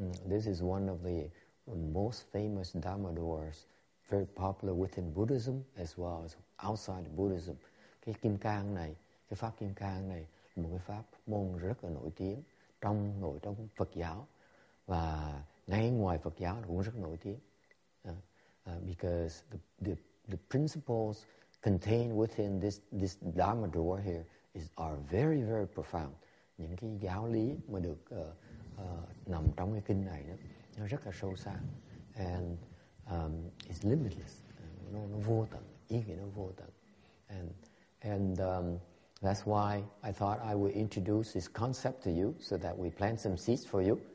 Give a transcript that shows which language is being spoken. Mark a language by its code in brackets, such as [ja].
[en] This is one of the most famous dharma doors, very popular within Buddhism as well as outside Buddhism. [vi] Cái kim cang này, cái pháp kim cang này là một cái pháp môn rất là nổi tiếng trong nội trong Phật giáo và ngay ngoài Phật giáo cũng rất nổi tiếng. [en] Because the principles contained within this dharma door here are very very profound. [vi] Những cái giáo lý mà được nằm trong cái kinh này đó, nó rất là sâu xa. [en] And it's limitless. [vi] Nó vô tận, ý nghĩa nó vô tận. [en] And that's why I thought I would introduce this concept to you so that we plant some seeds for you.